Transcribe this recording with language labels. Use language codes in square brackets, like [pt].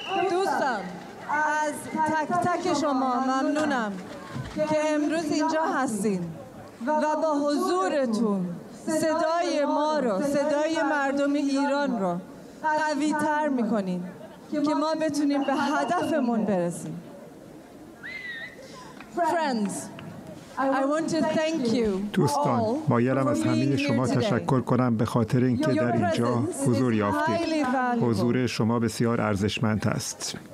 [fa] دوستان، از تک تک شما ممنونم که امروز اینجا هستین و با حضورتون صدای ما رو، صدای مردم ایران رو قوی تر میکنین که ما بتونیم به هدفمون برسیم. [en] Friends, I want to thank you all. [fa] دوستان، مایلم از همه شما تشکر کنم به خاطر اینکه در اینجا حضور یافتید. حضور شما بسیار ارزشمند است.